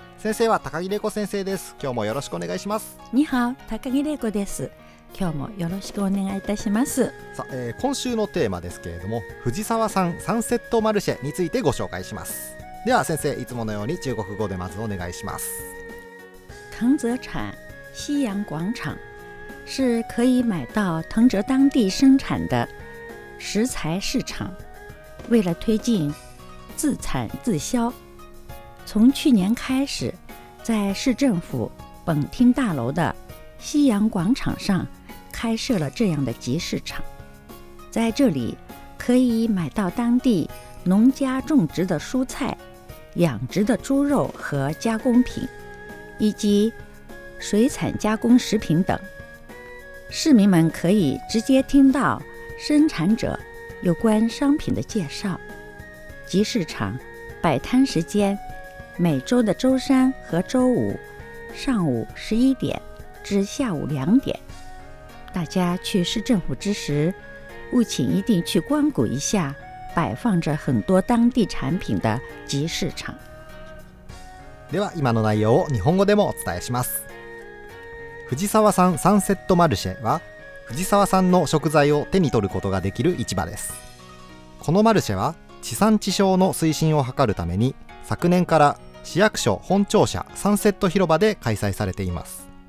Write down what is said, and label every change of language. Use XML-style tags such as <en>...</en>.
<ja>先生は高木玲子先生です。今日もよろしくお願いします。</ja> <zh>ニハオ、</zh> <ja>高木玲子です。今日もよろしくお願いいたします。さ、今週のテーマですけれども、藤沢さんサンセットマルシェについてご紹介します。では先生、いつものように中国語でまずお願いします。</ja> <zh>藤泽产西洋广场是可以买到藤泽当地生产的食材市场，为了推进自产自销，从去年开始，在市政府本厅大楼的西洋广场上开设了这样的集市场，在这里可以买到当地农家种植的蔬菜、养殖的猪肉和加工品，以及水产加工食品等。市民们可以直接听到生产者有关商品的介绍。集市场摆摊时间每周的周三和周五上午11点至下午2点，大家去市政府之时务请一定去光顾一下摆放着很多当地产品的集市场。</zh> <ja>では今の内容を日本語でもお伝えします。藤沢さんサンセットマルシェは、藤沢さんの食材を手に取ることができる市場です。このマルシェは、地産地消の推進を図るために、昨年から市役所本庁舎サンセット広場で開催されています。</ja>